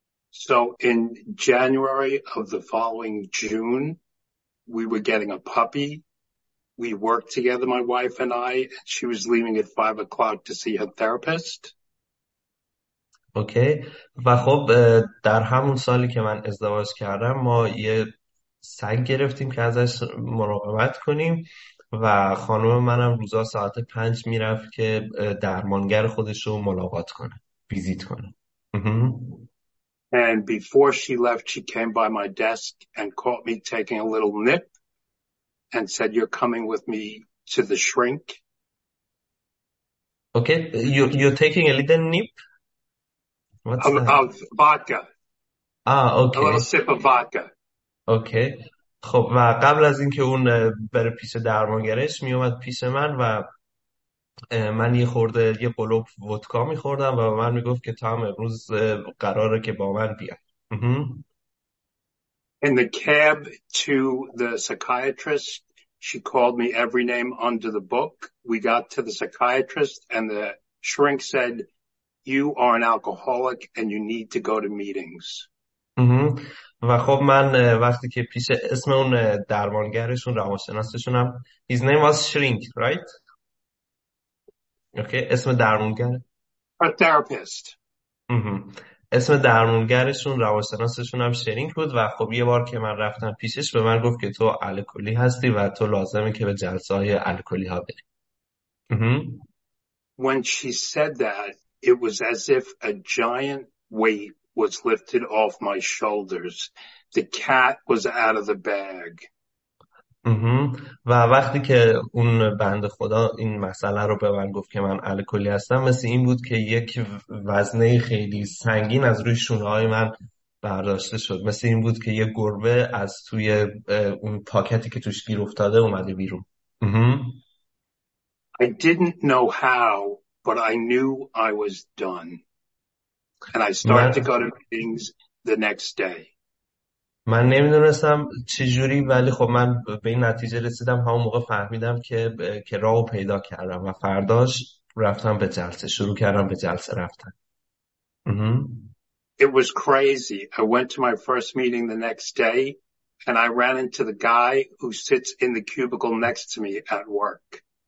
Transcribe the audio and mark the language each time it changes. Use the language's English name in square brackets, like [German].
[English] So in January of the following June, we were getting a puppy. We worked together, my wife and I, and she was leaving at 5 o'clock to see her therapist. Okay. [Persian] و خب در همون سالی که من ازدواج کردم ما یه سگ گرفتیم که ازش مراقبت کنیم و خانم منم روزا ساعت 5 میرفت که درمانگر خودش رو ملاقات کنه، ویزیت کنه. [English] And before she left, she came by my desk and caught me taking a little nip and said, "You're coming with me to the shrink." Okay, you're taking a little nip. What's that? Of vodka. Ah, A little sip of vodka. okay. [Persian] خب و قبل از اینکه اون بره پیش درمانگرش می اومد پیش من و من یه خورده یه قلوب ودکا می خوردم و من می گفت که تا هم امروز قراره که با من بیای. [English] In the cab to the psychiatrist, she called me every name under the book. We got to the psychiatrist and the shrink said, you are an alcoholic and you need to go to meetings. [Persian] و خب من وقتی که پیش اسم اون درمانگرشون روانشناسشونم [English] his name was shrink right okay [Persian] اسم درمانگر [English] A therapist. [Persian] اسم درمانگرشون روانشناسشونم شرینک بود و خب یه بار که من رفتم پیشش به من گفت که تو الکلی هستی و تو لازمه که به جلسه های الکلی ها بری. [English] When she said that, it was as if a giant weight was lifted off my shoulders. The cat was out of the bag. [Persian] و وقتی که اون بند خدا این مسئله رو به من گفت که من الکلی هستم مثل این بود که یک وزنه خیلی سنگین از روی شونه های من برداشته شد، مثل این بود که یک گربه از توی اون پاکتی که توش گیر افتاده اومده بیرون. [English] I didn't know how, but I knew I was done. And I started to go to meetings the next day. [Persian] من نمیدونستم چه جوری ولی خب من به این نتیجه رسیدم همون موقع فهمیدم که راهو پیدا کردم و فرداش رفتم به جلسه، شروع کردم به جلسه رفتن. [English] It was crazy. I went to my first meeting the next day and I ran into the guy who sits in the cubicle next to me at work.